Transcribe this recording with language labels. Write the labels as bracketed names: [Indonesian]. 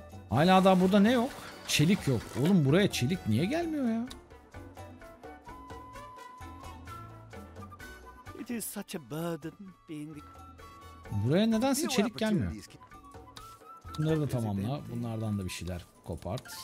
[Turkish] Hala daha burada ne yok? Çelik yok. Oğlum buraya çelik niye gelmiyor ya? [English] It is such a burden being the... [Turkish] Buraya nedense çelik gelmiyor. Bunları da tamamla. Bunlardan da bir şeyler kopart.